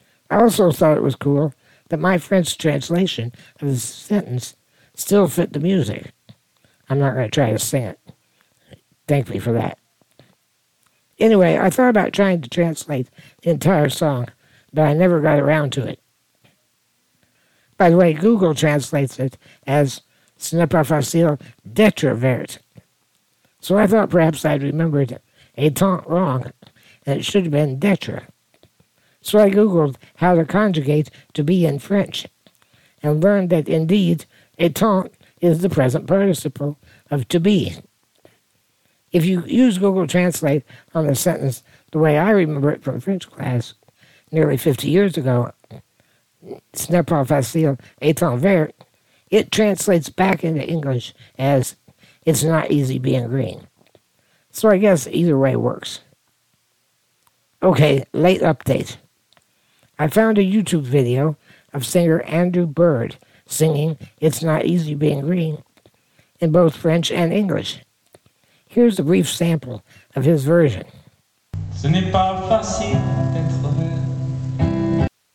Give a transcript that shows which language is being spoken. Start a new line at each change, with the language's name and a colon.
English: I also thought it was cool that my French translation of the sentence still fit the music. I'm not going to try to sing it. Thank me for that. Anyway, I thought about trying to translate the entire song, but I never got around to it. By the way, Google translates it as
French: ce n'est pas facile d'être vert.
English: So I thought perhaps I'd remembered étant wrong, and it should have been d'être. So I Googled how to conjugate to be in French, and learned that indeed, étant is the present participle of to be. if you use Google Translate on a sentence the way I remember it from French class nearly 50 years ago,
French: ce n'est pas facile, étant vert,
English: it translates back into English as it's not easy being green. So I guess either way works. Okay, late update. I found a YouTube video of singer Andrew Bird singing It's Not Easy Being Green in both French and English. Here's a brief sample of his version.
French: Ce n'est pas facile d'être vert.